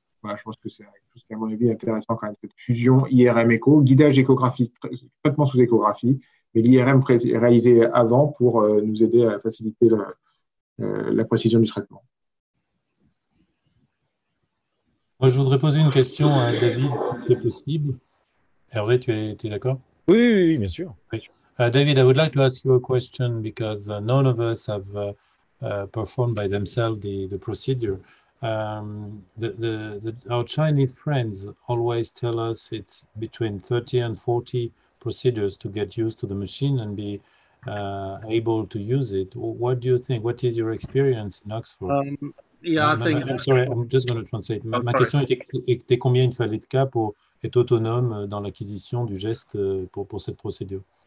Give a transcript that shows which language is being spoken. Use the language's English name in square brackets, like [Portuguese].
[French] Voilà, je pense que c'est quelque chose qui, à mon avis, intéressant quand même, cette fusion IRM-écho, guidage échographique, traitement sous échographie, mais l'IRM réalisé avant pour nous aider à faciliter la précision du traitement. Moi, je voudrais poser une question à David, si c'est possible. Hervé, tu es d'accord? Oui, bien sûr. Oui. [English] David, I would like to ask you a question because none of us have performed by themselves the procedure. Our Chinese friends always tell us it's between 30 and 40 procedures to get used to the machine and be able to use it. What do you think? What is your experience in Oxford? [French] Ma question était combien il fallait de cas pour être autonome dans l'acquisition du geste pour cette procédure?